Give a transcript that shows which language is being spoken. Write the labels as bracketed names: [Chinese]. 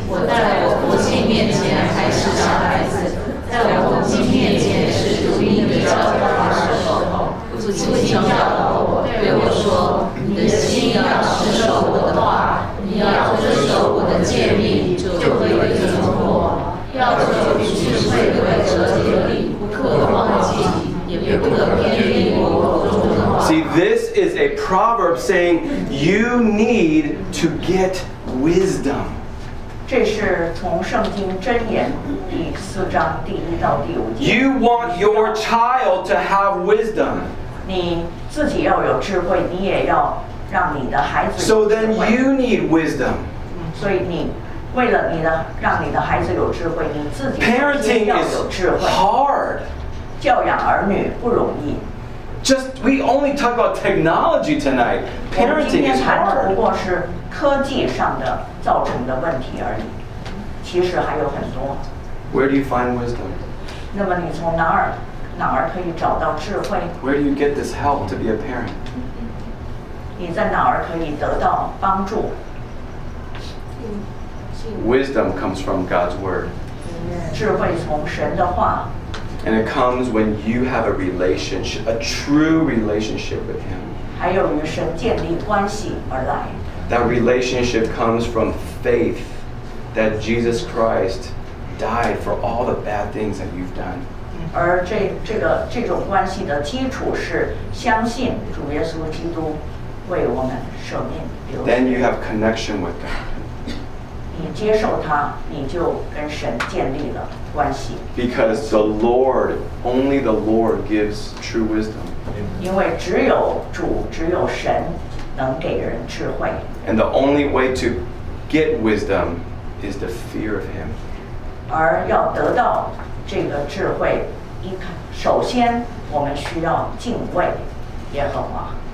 [Chinese] 我在我父亲面前还是小孩子，在我父亲面前是独一的教导他的时候，父亲教导我，对我说，你的心要持守我的话。你要遵守我的诫命，就会有存活。要遵守智慧规则的律，不可忘记，也不可偏离我口中的话。 [English] See, this is a proverb saying you need to get wisdom. [Chinese] 这是从圣经箴言第四章第一到第五节。 [English] You want your child to have wisdom. [Chinese] 你自己要有智慧，你也要。让你的孩子 [English] so then you need wisdom. [Chinese] 所以你为了你的让你的孩子有智慧，你自己 [English] parenting [Chinese] 要有智慧。 [English] Hard. [Chinese] 教养儿女不容易。 [English] Just we only talk about technology tonight. Parenting is hard. [Chinese] 我们今天谈的不过是科技上的造成的问题而已。其实还有很多。 [English] Where do you find wisdom? [Chinese] 那么你从哪儿可以找到智慧？ [English] Where do you get this help to be a parent? [Chinese] 你在哪儿可以得到帮助？ [English] Wisdom comes from God's word. [Chinese] 智慧从神的话。 [English] And it comes when you have a relationship, a true relationship with Him. [Chinese] 还有与神建立关系而来。 [English] That relationship comes from faith that Jesus Christ died for all the bad things that you've done. [Chinese] 而这种关系的基础是相信主耶稣基督为我们舍命。 [English] Then you have connection with God. [Chinese] 你接受他，你就跟神建立了关系。 [English] Because the Lord, only the Lord gives true wisdom. [Chinese] 因为只有主，只有神能给人智慧。 [English] And the only way to get wisdom is the fear of Him. [Chinese] 而要得到这个智慧，首先我们需要敬畏耶和华。